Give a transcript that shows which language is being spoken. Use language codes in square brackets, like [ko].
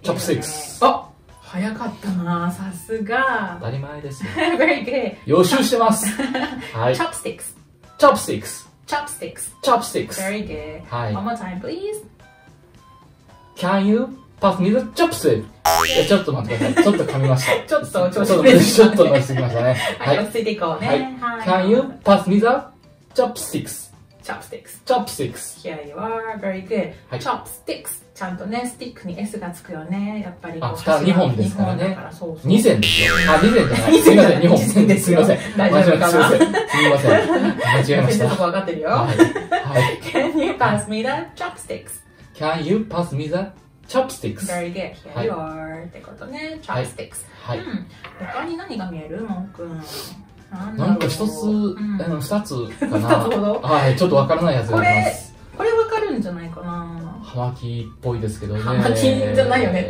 [en] Chopsticks. [ja] 早かったなぁ、さすが。当たり前ですよ。 [en] Very good. [ja] 予習してます。はい。 [en] Chopsticks. Chopsticks. Chopsticks. Chopsticks. Very good. [ja] はい。 [en] One more time, please. Can you pass me the chopsticks? [ja] ちょっと待ってください。ちょっと噛みました。ちょっと調子が良くなった。ちょっと乗りすぎましたね。はい。落ち着いていこうね。はい。 [en] Can you pass me the chopsticks? Chopsticks. Chopsticks. Here you are. Very good.、 [ja] はい、 [en] Chopsticks. [ja] ちゃんとね、スティックに S がつくよね。やっぱりこう。あ、2本ですからね。 2本だから、そうそう。2000ですよ。あ、2000じゃない。すいません、2本。2000ですよ。すいません。大丈夫かな。すいません。すいません。間違えました。先生のとこ分かってるよ。はい。はい、 [en] Can you pass me the chopsticks? Can you pass me the chopsticks? Very good. Here you are.、 [ja] はい、ってことね。 [en] Chopsticks. [ja] はい、うん。他に何が見える?モン君。なんか一つ、うん、二つかな。二つほど、はい、ちょっとわからないやつがあります。これわかるんじゃないかな。ハマキっぽいですけどね。ハマキじゃないよね。